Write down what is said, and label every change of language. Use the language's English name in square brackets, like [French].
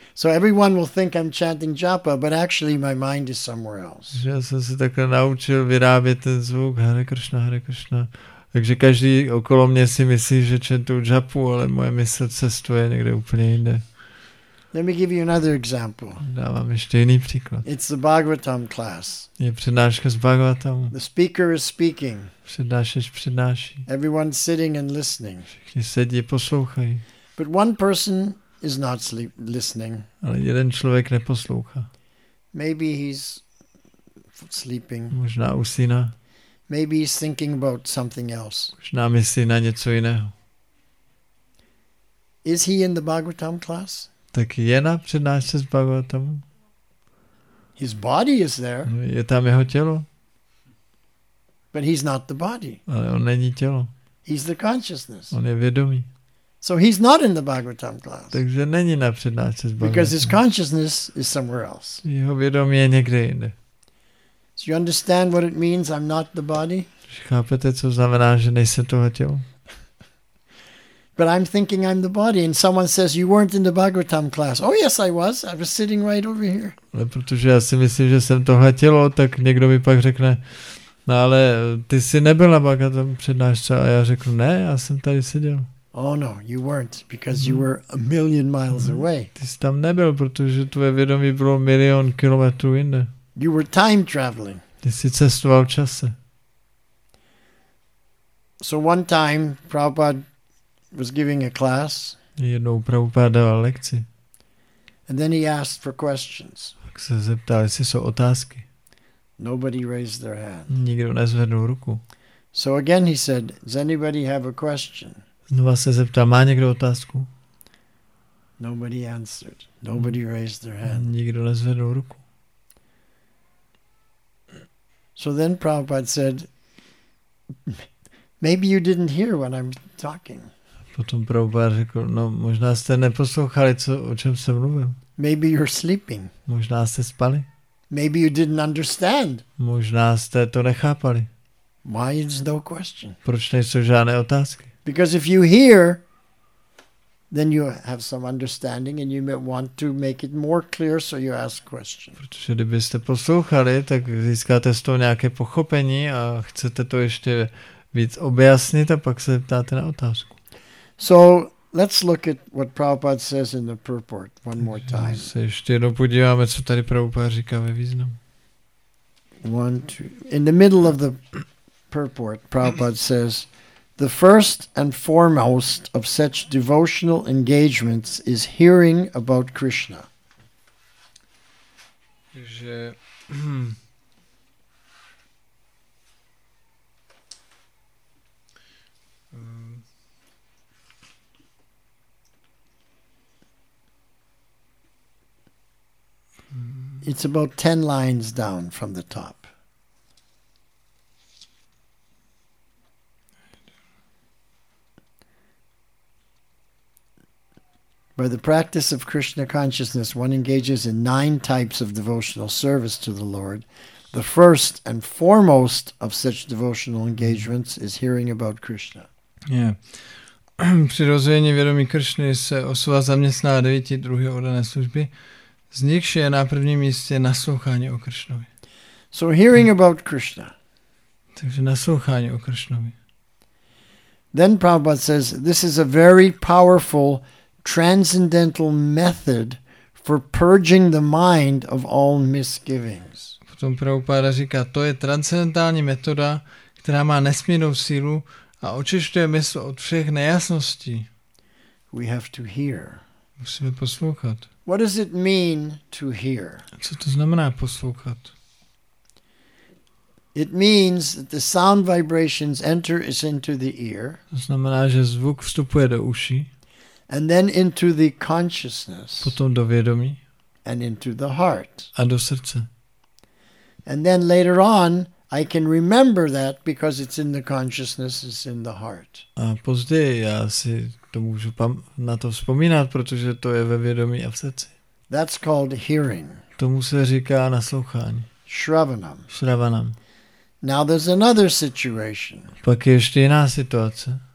[English] So everyone will think I'm chanting japa, but actually my mind is somewhere else. [Czech] Já jsem se takhle naučil vyrábět ten zvuk Hare Krishna, Hare Krishna. Takže každý okolo mě si myslí, že chantu japu, ale moje mysl cestuje někde úplně jinde. [English] Let me give you another example. [Czech] Dávám ještě jiný příklad. [English] It's the Bhagavatam class. [Czech] Je přednáška z Bhagavatamu. [English] The speaker is speaking. [Czech] Přednášeč přednáší. [English] Everyone's sitting and listening. [Czech] Všichni sedí, poslouchají. [English] But one person is not listening. [Czech] Ale jeden člověk neposlouchá. [English] Maybe he's sleeping. [Czech] Možná usíná. [English] Maybe he's thinking about something else. [Czech] Možná myslí na něco jiného. [English] Is he in the Bhagavatam class? [Czech] Tak je na přednášce s Bhagavatam. [English] His body is there. [Czech] Je tam jeho tělo. [English] But he's not the body. [Czech] Ale on není tělo. [English] He's the consciousness. [Czech] On je vědomí. [English] So he's not in the Bhagavatam class. [Czech] Takže není na přednášce s Bhagavatam. [English] Because his consciousness is somewhere else. [Czech] Jeho vědomí je někde jinde. [English] So you understand what it means I'm not the body? [Czech] Chápete, co znamená, že nejsem toho tělo? [English] But I'm thinking I'm the body, and someone says you weren't in the Bhagavatam class. Oh yes, I was. I was sitting right over here. [Czech] Ale protože já si myslím, že jsem tohle tělo, tak někdo mi pak řekne, no ale ty jsi nebyl na Bhagavatam přednášce, a já řeknu, ne, já jsem tady seděl. [English] Oh no, you weren't, because you were a million miles away. [Czech] Ty jsi tam nebyl, protože tvoje vědomí bylo milion kilometrů jinde. [English] You were time traveling. [Czech] Ty jsi cestoval v čase. [English] So one time, Prabhupada was giving a class. [Czech] Jednou Prabhupada dával lekci. [English] And then he asked for questions. [Czech] Tak se zeptal, jestli jsou otázky. [English] Nobody raised their hand. [Czech] Nikdo nezvednul ruku. [English] So again he said, does anybody have a question? [Czech] Znova se zeptal, má někdo otázku? [English] Nobody answered. Nobody raised their hand. [Czech] Nikdo nezvednul ruku. [English] So then Prabhupada said, maybe you didn't hear when I'm talking. [Czech] Potom Prabhupada řekl, no možná jste neposlouchali, co, o čem jsem mluvil. [English] Maybe you're sleeping. [Czech] Možná jste spali. [English] Maybe you didn't understand. [Czech] Možná jste to nechápali. [English] Why is no question? [Czech] Proč nejsou žádné otázky? [English] Because if you hear, then you have some understanding and you may want to make it more clear, so you ask questions. [Czech] Protože kdybyste poslouchali, tak získáte z toho nějaké pochopení a chcete to ještě víc objasnit a pak se ptáte na otázku. [English] So let's look at what Prabhupada says in the purport one more time. [Czech] Se ještě jednou podíváme, co tady Prabhupada říká ve významu. [English] One, two. In the middle of the purport, Prabhupada says, the first and foremost of such devotional engagements is hearing about Krishna. [Czech] Že [English] it's about 10 lines down from the top. By the practice of Krishna consciousness, one engages in 9 types of devotional service to the Lord. The first and foremost of such devotional engagements is hearing about Krishna. Yeah. [Czech] Při rozvíjení vědomí Krishny se osoba zaměstná 9 druhy oddané služby. Z nich je na prvním místě naslouchání o Krishnovi. [English] So hearing about Krishna. [Czech] Takže naslouchání o Krishnovi. [English] Then Prabhupada says, this is a very powerful transcendental method for purging the mind of all misgivings. [Czech] Potom Prabhupada říká, to je transcendentální metoda, která má nesmírnou sílu a očišťuje mysl od všech nejasností. [English] We have to hear. [Czech] Musíme poslouchat. [English] What does it mean to hear? [Czech] Co to znamená poslouchat? [English] It means that the sound vibrations enter is into the ear. [Czech] To znamená, že zvuk vstupuje do uší. [English] And then into the consciousness. [Czech] Potom do vědomí. [English] And into the heart. [Czech] A do srdce. [English] And then later on, I can remember that because it's in the consciousness, it's in the heart. [Czech] A později já si to můžu na to vzpomínat, protože to je ve vědomí a v srdci. [English] That's called hearing. [Czech] Tomu se říká naslouchání. [English] Shravanam. [Czech] Shravanam. [English] Now there's another situation. [Czech] Pak je ještě jiná situace.